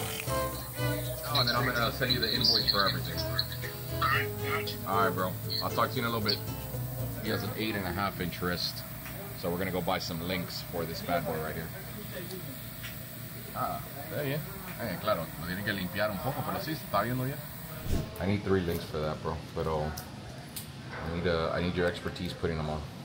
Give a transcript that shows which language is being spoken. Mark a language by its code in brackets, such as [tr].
[en] Oh, and then I'm gonna send you the invoice for everything. All right, bro. I'll talk to you in a little bit. He has an 8.5-inch wrist. So we're gonna go buy some links for this bad boy right here. Ah, yeah. [es] Claro, lo tienen que limpiar un poco, pero sí, está viendo bien. [en] I need three links for that, bro. But I need your expertise putting them on.